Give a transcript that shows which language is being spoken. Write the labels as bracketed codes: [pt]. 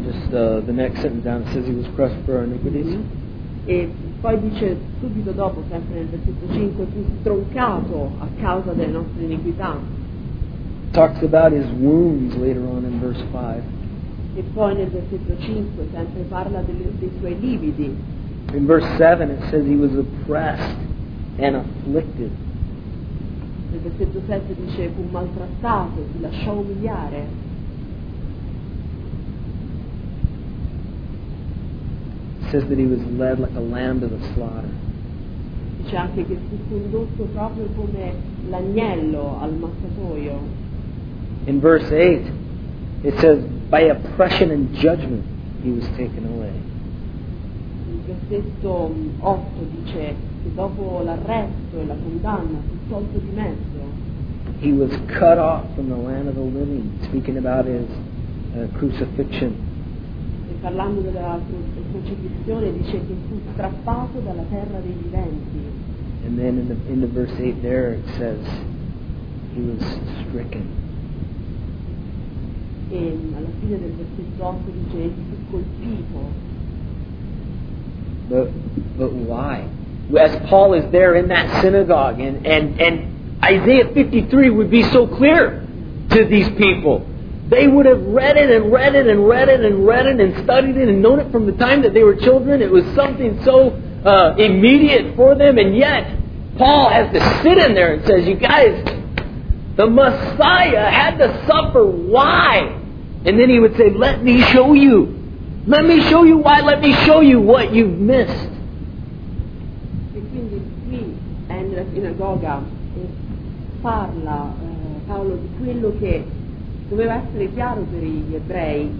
[en] The next sentence down it says he was crushed for our iniquities. Mm-hmm. [it] E poi dice subito dopo, sempre nel versetto 5, fu stroncato a causa delle nostre iniquità. [en] Talks about his wounds later on in verse 5. [it] E poi nel versetto 5 sempre parla dei suoi lividi. [en] In verse 7 it says he was oppressed and afflicted. [it] Nel versetto 7 dice fu maltrattato, si lasciò umiliare. [en] It says that he was led like a lamb to the slaughter. [it] Dice anche che fu condotto proprio come l'agnello al mattatoio. [en] In verse 8 it says by oppression and judgment he was taken away. [it] Versetto 8 dice che dopo l'arresto e la condanna fu tolto di mezzo. [en] He was cut off from the land of the living, speaking about his crucifixion. [it] E parlando della crocifissione dice che fu strappato dalla terra dei viventi. [en] And then in the verse 8 there it says he was stricken. [it] E alla fine del versetto 8 dice egli fu colpito. [en] But why? As Paul is there in that synagogue and Isaiah 53 would be so clear to these people. They would have read it and read it and read it and read it and studied it and known it from the time that they were children. It was something so immediate for them, and yet Paul has to sit in there and says, "You guys, the Messiah had to suffer. Why?" And then he would say, "Let me show you. Let me show you why, let me show you what you've missed." [it] E quindi qui è nella sinagoga e parla Paolo di quello che doveva essere chiaro per gli ebrei.